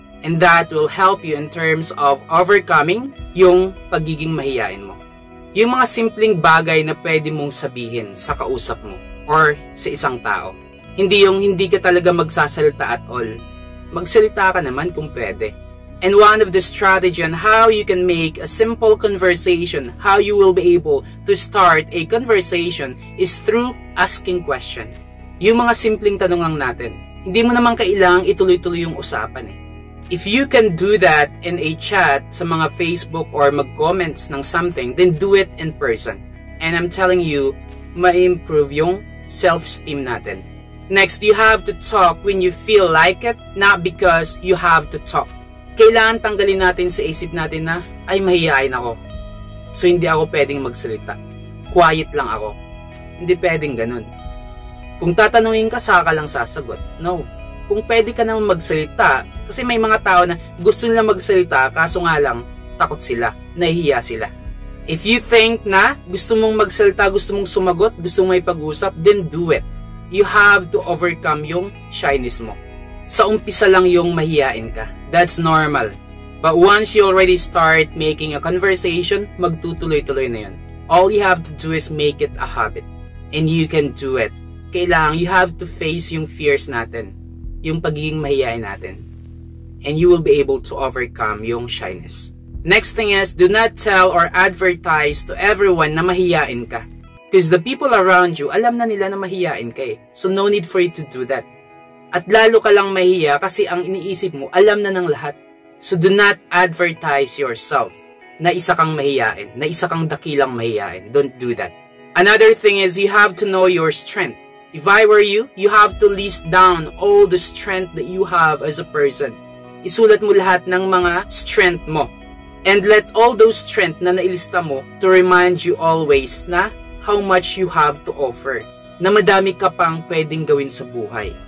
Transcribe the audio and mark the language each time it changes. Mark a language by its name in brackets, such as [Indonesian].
[English] And that will help you in terms of overcoming [Filipino] yung pagiging mahihiyain mo. Yung mga simpleng bagay na pwede mong sabihin sa kausap mo or sa isang tao. Hindi yung hindi ka talaga magsasalita [English] at all. [Filipino] Magsalita ka naman kung pwede. [English] And one of the strategy on how you can make a simple conversation, how you will be able to start a conversation is through asking question. [Filipino] Yung mga simpleng tanongang natin, hindi mo naman kailangang ituloy-tuloy yung usapan eh. [English] If you can do that in a chat sa mga Facebook or mag-comments ng something, then do it in person. And I'm telling you, [Filipino] ma-improve yung self-esteem natin. [English] Next, you have to talk when you feel like it, not because you have to talk. [Filipino] Kailangan tanggalin natin sa isip natin na, ay, mahihiyain ako. So, hindi ako pwedeng magsalita. Quiet lang ako. Hindi pwedeng ganun. Kung tatanungin ka, saka lang sasagot. No. Kung pwede ka naman magsalita, kasi may mga tao na gusto nila magsalita, kaso nga lang, takot sila, nahihiya sila. [English] If you think [Filipino] na gusto mong magsalita, gusto mong sumagot, gusto mong may pag-usap, [English] then do it. You have to overcome [Filipino] yung shyness mo. Sa umpisa lang yung mahihiyain ka. [English] That's normal. But once you already start making a conversation, [Filipino] magtutuloy-tuloy na yun. [English] All you have to do is make it a habit. And you can do it. [Filipino] Kailangan, [English] you have to face [Filipino] yung fears natin. Yung pagiging mahihiyain natin. [English] And you will be able to overcome yung shyness. Next thing is, do not tell or advertise to everyone [Filipino] na mahihiyain ka. [English] Because the people around you, [Filipino] alam na nila na mahihiyain ka eh. [English] So no need for you to do that. [Filipino] At lalo ka lang mahiya kasi ang iniisip mo, alam na ng lahat. [English] So do not advertise yourself [Filipino] na isa kang mahihiyain, na isa kang dakilang mahihiyain. [English] Don't do that. Another thing is, you have to know your strength. If I were you, you have to list down all the strength that you have as a person. [Filipino] Isulat mo lahat ng mga strength mo. [English] And let all those strength [Filipino] na nailista mo [English] to remind you always na how much you have to offer. [Filipino] Na madami ka pang pwedeng gawin sa buhay.